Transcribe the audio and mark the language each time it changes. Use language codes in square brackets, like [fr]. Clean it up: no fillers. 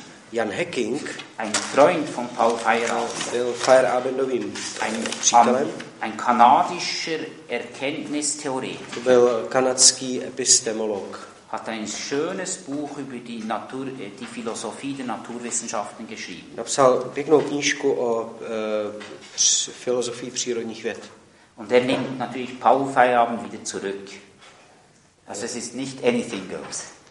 [de] Jan Hacking, ein Freund von Paul Feyerabend, [cs] byl Feyerabendovým přítelem. [de] Ein kanadischer Erkenntnistheoretiker. [cs] To byl kanadský epistemolog. [de] Hat ein schönes Buch über die Natur, die Philosophie der Naturwissenschaften geschrieben. [cs] Napsal pěknou knížku o filozofii přírodních věd. [de] Und er nimmt natürlich Paul Feyerabend wieder zurück. Also es ist nicht anything goes.